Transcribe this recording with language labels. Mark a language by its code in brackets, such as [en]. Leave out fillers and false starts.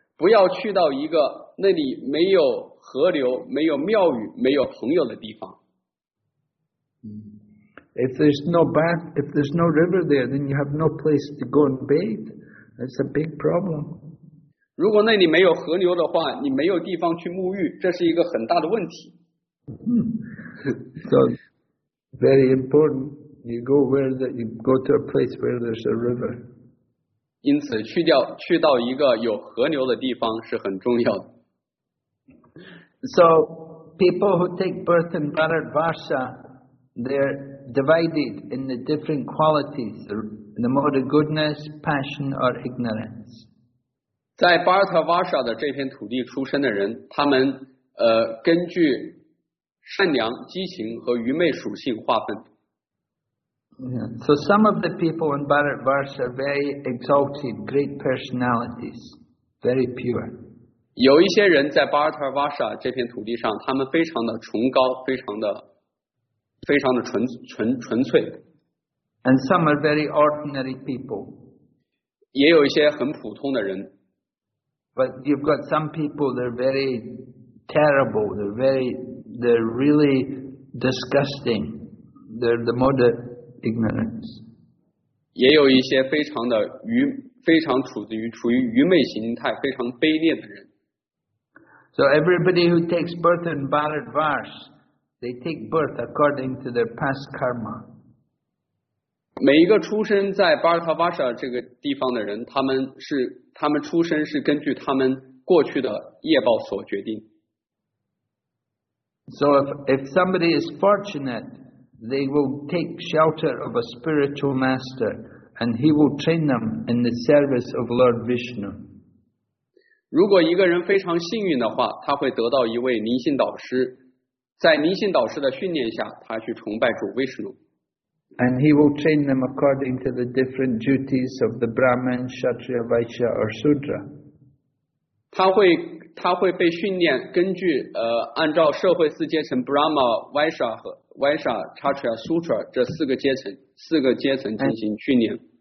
[zh] 不要去到一个那里没有河流、没有庙宇、没有朋友的地方。 [en] If there's no bath, if there's no river there, then you have no place to go and bathe. That's a big problem. [zh] 如果那里没有河流的话，你没有地方去沐浴，这是一个很大的问题。 [en] So very important. You go where that you go to a place where there's a river. [zh] 因此去到一个有河流的地方是很重要的。 [en] So, people who take birth in Bharatvarsha, they're divided in the different qualities, the mode of goodness, passion, or ignorance. [zh] 在 Bharatvarsha 的这片土地出生的人，他们根据善良、激情和愚昧属性划分。 [en] Yeah. So some of the people in Bharatvarsha are very exalted, great personalities, very pure. [zh] 有一些人在巴尔塔瓦沙这片土地上，他们非常的崇高，非常的纯粹。 [en] And some are very ordinary people. [zh] 也有一些很普通的人。 [en] But you've got some people that are very terrible. They're really disgusting. They're the mode of ignorance. [zh] 也有一些非常的愚，非常处于愚昧形态，非常卑劣的人。 [en] So everybody who takes birth in Bharatvarsha, they take birth according to their past karma. [zh] 每一个出生在巴尔塔瓦沙这个地方的人，他们出生是根据他们过去的业报所决定。 [en] So if somebody is fortunate. They will take shelter of a spiritual master, and he will train them in the service of Lord Vishnu. [zh] 如果一个人非常幸运的话，他会得到一位灵性导师，在灵性导师的训练下，他去崇拜主 Vishnu. [en] And he will train them according to the different duties of the Brahman, Kshatriya, Vaishya, or Sudra. [zh] 他会被训练，根据按照社会四阶层 Brahma, Vaishya 和Vaishya, Kshatriya, Sudra 这四个阶层进行训练。